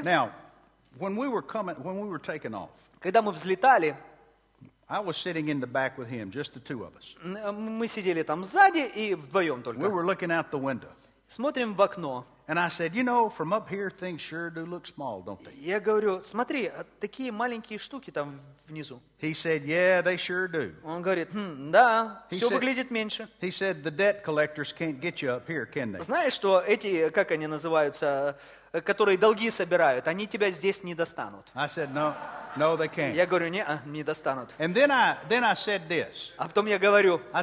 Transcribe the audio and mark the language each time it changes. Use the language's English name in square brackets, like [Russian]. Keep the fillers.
[English] Now, when we were coming, when we were taking off, [Russian] когда мы взлетали, [English] I was sitting in the back with him, just the two of us. [Russian] Мы сидели там сзади и вдвоем только. [English] We were looking out the window. [Russian] Смотрим в окно. [English] And I said, you know, from up here, things sure do look small, don't they? [Russian] Я говорю, смотри, такие маленькие штуки там внизу. [English] He said, yeah, they sure do. [Russian] Он говорит, хм, да, [English] he [Russian] все [English] said, [Russian] выглядит меньше. [English] He said, the debt collectors can't get you up here, can they? [Russian] Знаешь, что эти, как они называются, uh, которые долги собирают, они тебя здесь не достанут. [English] Said, no, no, they can't. [Russian] Я говорю, не, не достанут. [English] And then I, then I [Russian] А потом я говорю.